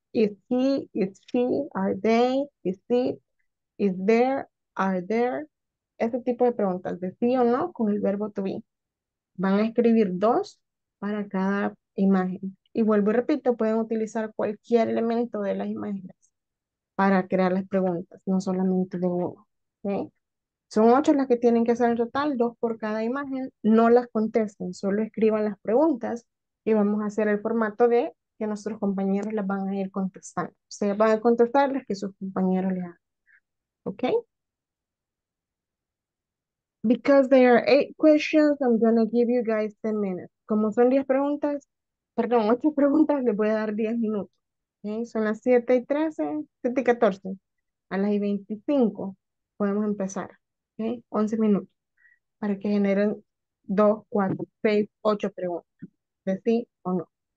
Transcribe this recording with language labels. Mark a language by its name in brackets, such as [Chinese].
[English] Is he, is she, are they, is it, is there, are there. [Spanish] Ese tipo de preguntas de sí o no con el verbo to be. Van a escribir 2 para cada imagen. Y vuelvo y repito, pueden utilizar cualquier elemento de las imágenes para crear las preguntas, no solamente de uno, ¿okay? Son 8 las que tienen que hacer en total, 2 por cada imagen. No las contesten, solo escriban las preguntas. Y vamos a hacer el formato de que nuestros compañeros las van a ir contestando. Ustedes van a contestar las que sus compañeros le hagan. ¿Ok? [English] Because there are 8 questions, I'm going to give you guys 10 minutes. [Spanish] Como son 10 preguntas, perdón, 8 preguntas, les voy a dar 10 minutos. ¿Okay? Son las 7 y 13, 7 y 14. A las 25 podemos empezar. ¿Okay? 11 minutos para que generen 2, 4, 6, 8 preguntas. De sí o no.